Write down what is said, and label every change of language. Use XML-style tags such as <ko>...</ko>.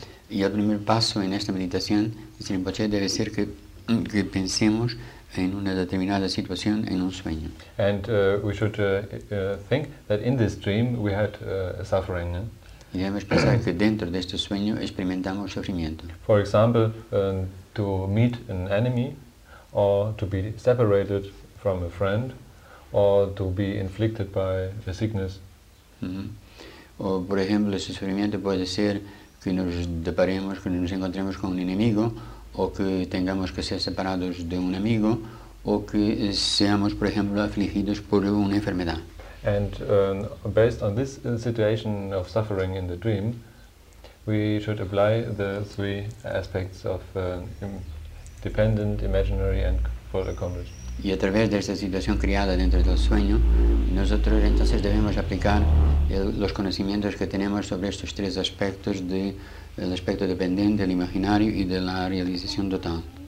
<es>Y el primer paso en esta meditación, dice Rinpoche, debe ser que pensemos en una determinada situación, en un sueño.</es> <en>And we should think that in this dream we had suffering.</en> <es>Y debemos pensar que dentro de este sueño experimentamos sufrimiento.</es> <en>For example, to meet an enemy, or to be separated from a friend, or to be inflicted by a sickness.</en> <es>O por ejemplo, ese sufrimiento puede ser que nos deparemos, que nos encontremos con un enemigo, o que tengamos que ser separados de un amigo, o que seamos, por ejemplo, afligidos por una enfermedad.</es> <en>And based on this situation of suffering in the dream, we should apply the three aspects of dependent, imaginary, and full accomplished.</en> <es>Y a través de esta situación creada dentro del sueño, nosotros entonces debemos aplicar los conocimientos que tenemos sobre estos tres aspectos, del aspecto dependiente, del imaginario y de la realización total.</es>